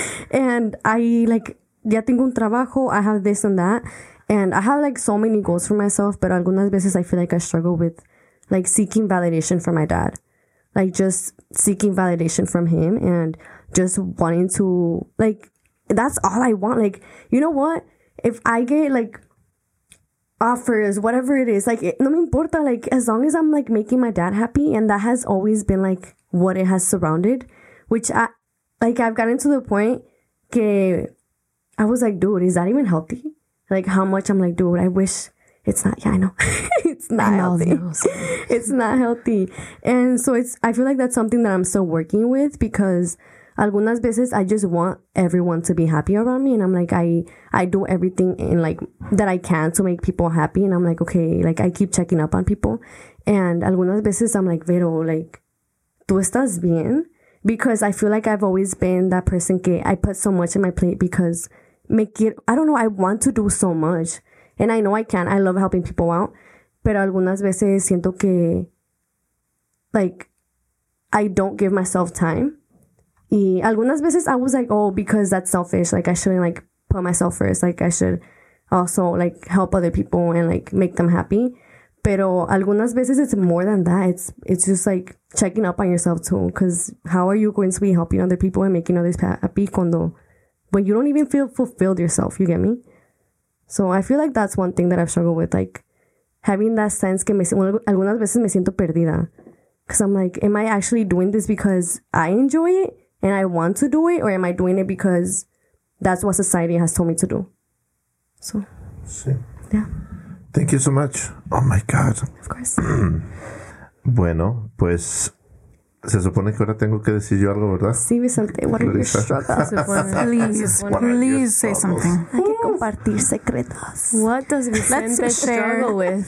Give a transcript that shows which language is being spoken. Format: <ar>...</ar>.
<en>And I, like,</en> <es>ya tengo un trabajo.</es> <en>I have this and that. And I have, like, so many goals for myself. But</en> <es>algunas veces</es> <en>I feel like I struggle with, like, seeking validation from my dad. Like, just seeking validation from him and just wanting to, like... That's all I want. Like, you know what? If I get, like, offers, whatever it is, like,</en> <es>no me importa.</es> <en>Like, as long as I'm, like, making my dad happy. And that has always been, like, what it has surrounded. Which, I've gotten to the point que I was like, dude, is that even healthy? Like, how much I'm like, dude, I wish. It's not. Yeah, I know. It's not healthy. It's not healthy. And so it's, I feel like that's something that I'm still working with, because</en> <es>algunas veces</es> <en>I just want everyone to be happy around me. And I'm like, I do everything in like that I can to make people happy. And I'm like, okay, like I keep checking up on people. And</en> <es>algunas veces</es> <en>I'm like,</en> <es>Vero, like, ¿tú estás bien?</es> <en>Because I feel like I've always been that person que I put so much in my plate because make it, I don't know, I want to do so much. And I know I can. I love helping people out.</en> <es>Pero algunas veces siento que,</es> <en>like, I don't give myself time.</en> <es>Y algunas veces</es> <en>I was like, oh, because that's selfish. Like, I shouldn't, like, put myself first. Like, I should also, like, help other people and, like, make them happy.</en> <es>Pero algunas veces</es> <en>it's more than that. It's just, like, checking up on yourself, too. Because how are you going to be helping other people and making others happy</en> <es>cuando,</es> <en>when you don't even feel fulfilled yourself? You get me? So I feel like that's one thing that I've struggled with. Like, having that sense</en> <es>que me, algunas veces me siento perdida.</es> <en>Because I'm like, am I actually doing this because I enjoy it? And I want to do it, or am I doing it because that's what society has told me to do? So,</en> <es>sí.</es> <en>Yeah. Thank you so much. Oh my God. Of course.</en> <es>Bueno, pues Se supone que ahora tengo que decir yo algo, ¿verdad? Sí, me salté.</es> <en>What are your struggles? Please say something.</en> <es>Hay que compartir secretos.</es> <en>What does Vicente struggle with?</en>